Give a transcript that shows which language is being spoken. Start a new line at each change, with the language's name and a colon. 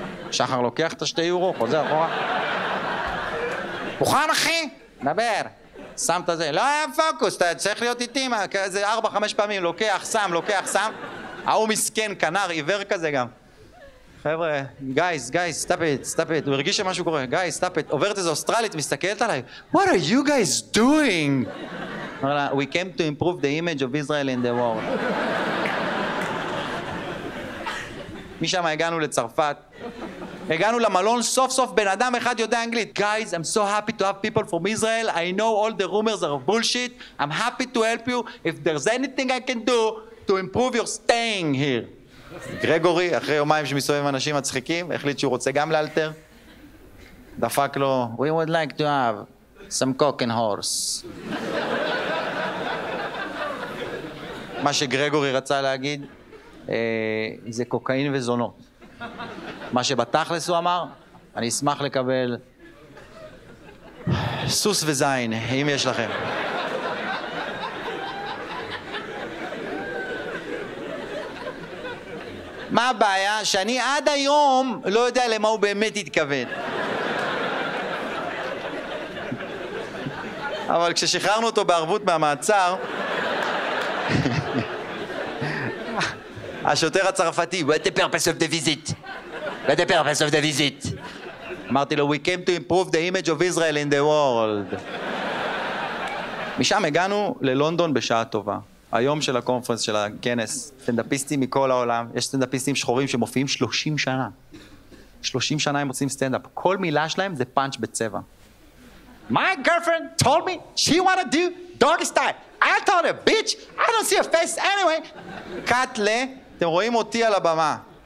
Hebrew: שחר לוקח את השתי יורו, חוזר אחורה. מוכן, אחי? דבר. שם את זה, לא היה פוקוס, אתה צריך להיות איתי, כזה 4-5 פעמים, לוקח, שם, לוקח, שם. ההוא מסכן, כנר, עיוור כזה גם. חבר'ה,
English: guys, stop it.
Hebrew: הוא הרגיש שמשהו קורה,
English: guys, stop it.
Hebrew: עוברת איזו אוסטרלית, מסתכלת עליי.
English: What are you guys doing?
Hebrew: אמר לה,
English: we came to improve the image of Israel in the world.
Hebrew: משם הגענו לצרפת. הגענו למלון, סוף סוף בן אדם אחד יודע אנגלית.
English: Guys, I'm so happy to have people from Israel. I know all the rumors are bullshit. I'm happy to help you if there's anything I can do to improve your staying here.
Hebrew: גרגורי, אחרי יומיים שמסובב אנשים מצחיקים, החליט שהוא רוצה גם לאלתר. דפק לו,
English: We would like to have some cock and horse.
Hebrew: מה שגרגורי רצה להגיד, זה קוקאין וזונות. מה שבתכלס הוא אמר, אני אשמח לקבל סוס וזין, אם יש לכם. מה הבעיה? שאני עד היום לא יודע למה הוא באמת התכוון. אבל כששחררנו אותו בערבות מהמעצר, השוטר הצרפתי,
English: What the purpose of the visit? What the purpose of the visit?
Hebrew: אמרתי לו,
English: We came to improve the image of Israel in the world.
Hebrew: משם הגענו ללונדון בשעה טובה. היום של הקונפרנס, של הכנס, סטנדאפיסטים מכל העולם, יש סטנדאפיסטים שחורים שמופיעים 30 שנה. 30 שנה הם עושים סטנדאפ. כל מילה שלהם זה פאנץ' בצבע.
English: My girlfriend told me she wanna do doggy style. I told her, bitch, I don't see a face anyway.
Hebrew: קאטלה, אתם רואים אותי על הבמה.